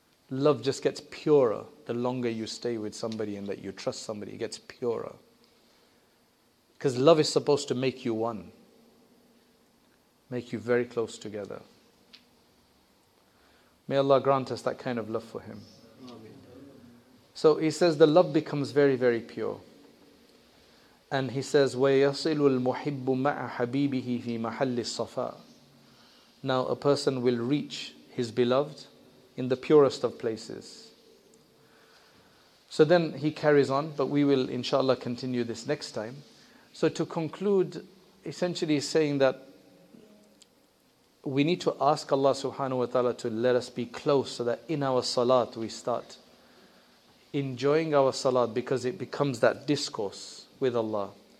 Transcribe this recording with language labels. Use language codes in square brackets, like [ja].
[en] Love just gets purer the longer you stay with somebody and that you trust somebody. It gets purer. Because love is supposed to make you one. Make you very close together. May Allah grant us that kind of love for him. So he says the love becomes very, very pure. [ar] And he says, وَيَصِلُ الْمُحِبُّ مَعَ حَبِيبِهِ فِي مَحَلِّ الصَّفَاء. [en] Now a person will reach his beloved in the purest of places. So then he carries on, but we will inshallah continue this next time. So to conclude, essentially saying that we need to ask Allah subhanahu wa ta'ala to let us be close so that in our salat we start enjoying our salat because it becomes that discourse with Allah.